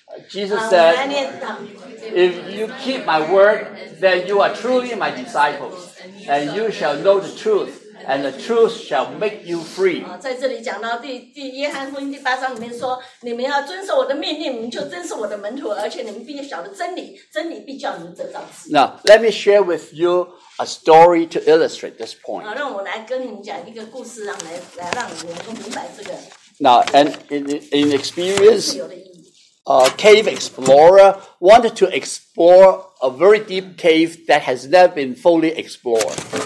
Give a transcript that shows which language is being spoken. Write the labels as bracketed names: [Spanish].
[English] Jesus said, if you keep my word, then you are truly my disciples, and you shall know the truth, and the truth shall make you free. [Chinese] 在这里讲到第约翰福音第八章里面说，你们要遵守我的命令，你们就真是我的门徒，而且你们必须晓得真理，真理必叫你们得到自由。 [English] Now, let me share with you a story to illustrate this point. [Chinese] 让我来跟你们讲一个故事，来让你们明白这个。 [English] Now, and in experience, a cave explorer wanted to explore a very deep cave that has never been fully explored.